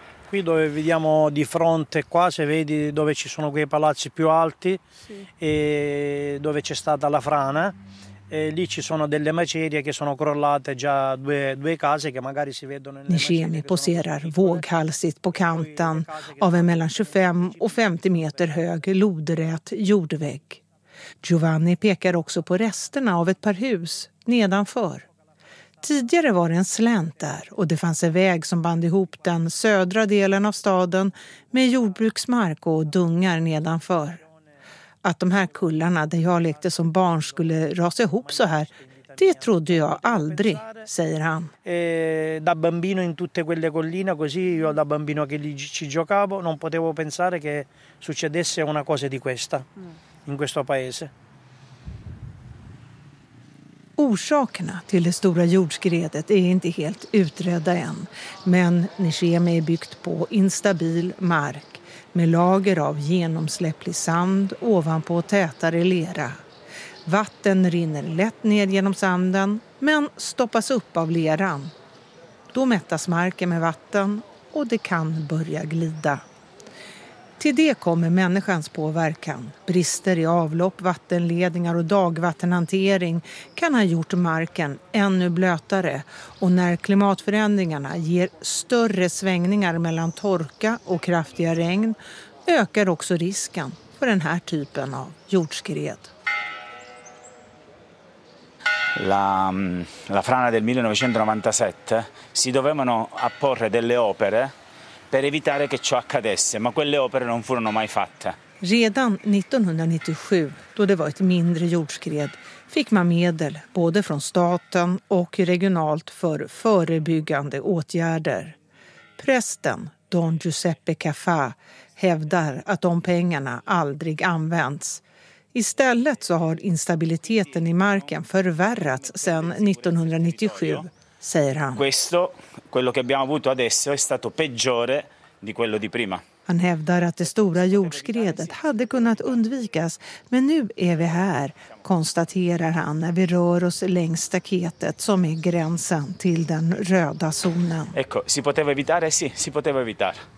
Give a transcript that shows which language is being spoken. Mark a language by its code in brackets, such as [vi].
[it] Qui dove vediamo di fronte qua, se vedi dove ci sono quei palazzi più alti e dove c'è stata la frana, Lì ci sono delle macerie che sono crollate già due case che magari si vedono. [sv] Nishemi poserar våghalsigt på kanten av en mellan 25 och 50 meter hög lodrät jordvägg. Giovanni pekar också på resterna av ett par hus nedanför. Tidigare var det en slänt där och det fanns en väg som band ihop den södra delen av staden med jordbruksmark och dungar nedanför. Att de här kullarna där jag lekte som barn skulle rasa ihop så här, det trodde jag aldrig, säger han. [it] Da bambino in tutte quelle colline così io da bambino che ci giocavo non potevo pensare che succedesse una cosa di questa in questo paese. [sv] Orsakerna till det stora jordskredet är inte helt utredda än, men Nishemi är byggt på instabil mark med lager av genomsläpplig sand ovanpå tätare lera. Vatten rinner lätt ner genom sanden men stoppas upp av leran. Då mättas marken med vatten och det kan börja glida. Till det kommer människans påverkan. Brister i avlopp, vattenledningar och dagvattenhantering kan ha gjort marken ännu blötare. Och när klimatförändringarna ger större svängningar mellan torka och kraftiga regn ökar också risken för den här typen av jordskred. [it] La frana del 1997 si dovevano apporre delle opere per evitare che ciò accadesse, ma quelle opere non furono mai fatte. [sv] Redan 1997, då det var ett mindre jordskred, fick man medel både från staten och regionalt för förebyggande åtgärder. Prästen Don Giuseppe Caffa hävdar att de pengarna aldrig används. Istället så har instabiliteten i marken förvärrats sedan 1997. Säger han. [it] Questo, quello che abbiamo avuto adesso, è stato peggiore di quello di prima. [sv] Han hävdar att det stora jordskredet hade kunnat undvikas, men nu är vi här, konstaterar han när vi rör oss längs staketet som är gränsen till den röda zonen. [it] Ecco, si poteva evitare, sì, si poteva evitare.